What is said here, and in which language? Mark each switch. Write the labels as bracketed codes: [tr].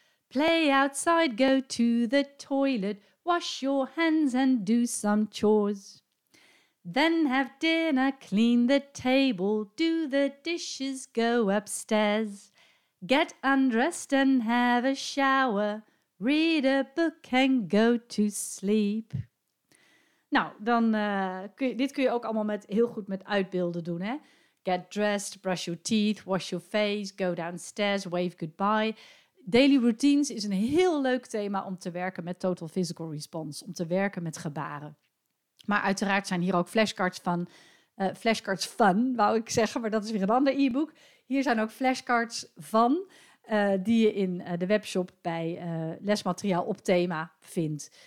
[en] Play outside, go to the toilet, wash your hands and do some chores. Then have dinner, clean the table, do the dishes, go upstairs. Get undressed and have a shower, read a book and go to sleep. [nl] Nou, dan kun je ook allemaal heel goed met uitbeelden doen, hè? [en] Get dressed, brush your teeth, wash your face, go downstairs, wave goodbye. [nl] Daily routines is een heel leuk thema om te werken met total physical response, om te werken met gebaren. Maar uiteraard zijn hier ook flashcards van, wou ik zeggen, maar dat is weer een ander e-book. Hier zijn ook flashcards van. die je in de webshop bij lesmateriaal op thema vindt.